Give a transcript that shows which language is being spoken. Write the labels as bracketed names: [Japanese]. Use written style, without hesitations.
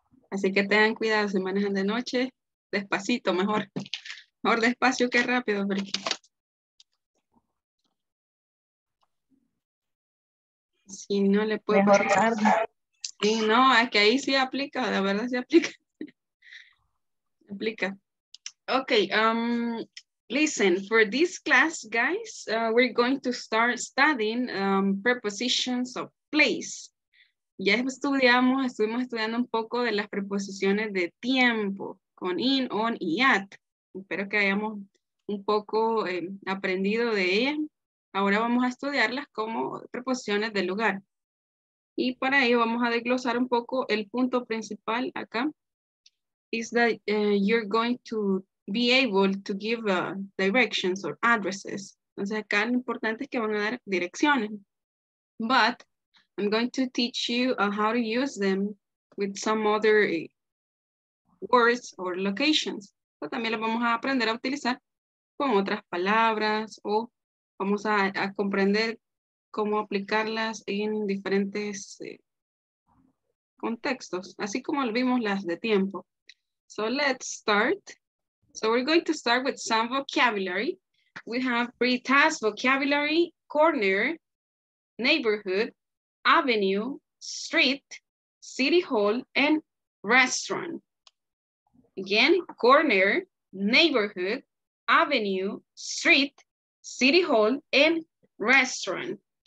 [Spanish] Así que tengan cuidado si manejan de noche, despacito mejor. Mejor despacio que rápido porque Si no le puedo mejor pasar. Tarde. Sí, no, es que ahí sí aplica, la verdad sí aplica. Aplica. [English] Okay, listen, for this class, guys, we're going to start studying prepositions of place. [Spanish] Ya estuvimos estudiando un poco de las preposiciones de tiempo, con in, on y at. Espero que hayamos un poco aprendido de ellas. Ahora vamos a estudiarlas como preposiciones de lugar. Y para ello vamos a desglosar un poco el punto principal acá. [English] Is that you're going to be able to give directions or addresses. [Spanish] Entonces acá lo importante es que van a dar direcciones. [English] But I'm going to teach you how to use them with some other words or locations. [Spanish] Pero también lo vamos a aprender a utilizar con otras palabras o vamos a comprender cómo aplicarlas en diferentes contextos, así como vimos las de tiempo. [English] So let's start. So we're going to start with some vocabulary. We have three tasks: vocabulary, corner, neighborhood, avenue, street, city hall, and restaurant. Again, corner, neighborhood, avenue, street, city hall, and restaurant.